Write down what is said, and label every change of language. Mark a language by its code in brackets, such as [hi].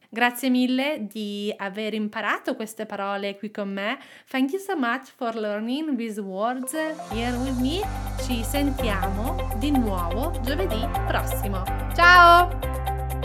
[it] Grazie mille di aver imparato queste parole qui con me. [en] Thank you so much for learning these words here with me. [it] Ci sentiamo di nuovo giovedì prossimo. Ciao!